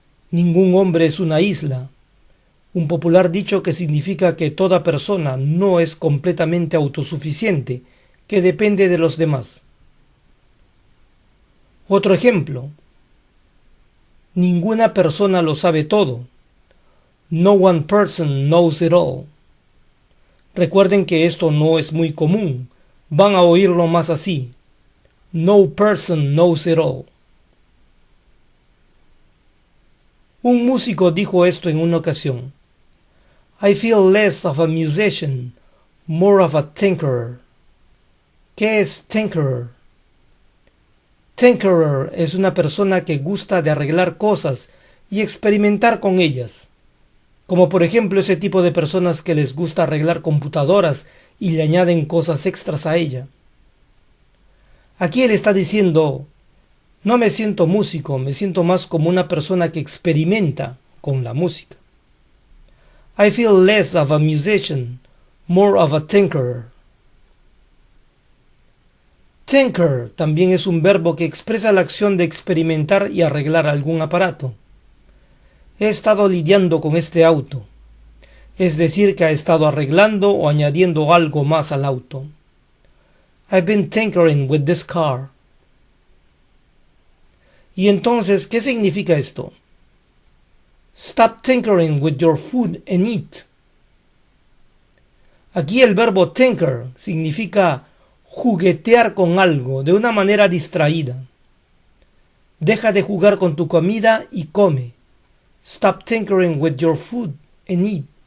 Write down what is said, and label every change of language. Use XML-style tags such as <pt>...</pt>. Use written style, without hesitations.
<es>Ningún hombre es una isla. Un popular dicho que significa que toda persona no es completamente autosuficiente, que depende de los demás. Otro ejemplo. Ninguna persona lo sabe todo.</es> <en>No one person knows it all.</en> <es>Recuerden que esto no es muy común. Van a oírlo más así.</es> <en>No person knows it all.</en> <es>Un músico dijo esto en una ocasión.</es> <en>I feel less of a musician, more of a tinkerer.</en> <es>¿Qué es tinkerer? Tinkerer es una persona que gusta de arreglar cosas y experimentar con ellas. Como por ejemplo ese tipo de personas que les gusta arreglar computadoras y le añaden cosas extras a ella. Aquí él está diciendo, no me siento músico, me siento más como una persona que experimenta con la música.</es> <en>I feel less of a musician, more of a tinkerer.</en> <es>Tinker también es un verbo que expresa la acción de experimentar y arreglar algún aparato. He estado lidiando con este auto, es decir, que ha estado arreglando o añadiendo algo más al auto.</es> <en>I've been tinkering with this car.</en> <es>Y entonces, ¿qué significa esto?</es> <en>Stop tinkering with your food and eat.</en> <es>Aquí el verbo tinker significa juguetear con algo de una manera distraída. Deja de jugar con tu comida y come.</es> <en>Stop tinkering with your food and eat.</en>